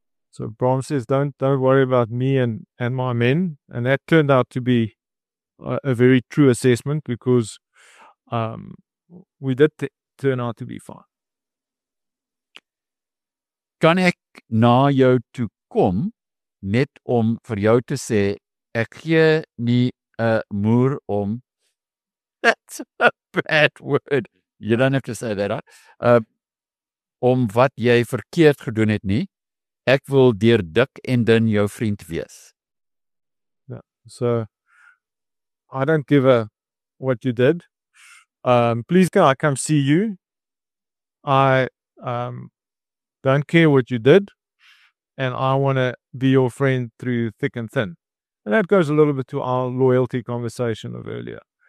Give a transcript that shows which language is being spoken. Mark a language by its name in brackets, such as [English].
[English] So Bram says, don't worry about me and my men. And that turned out to be a very true assessment because we did turn out to be fine. [Afrikaans] kan ek na jou toe kom net om vir jou te sê ek gee nie 'n moer om. [English] That's a bad word. You don't have to say that. [Afrikaans] Om wat jy verkeerd gedoen het nie. Ek wil deur dik en dun jou vriend wees. [English] Yeah. So I don't give a what you did. Please can I come see you? I don't care what you did, and I want to be your friend through thick and thin. And that goes a little bit to our loyalty conversation of earlier.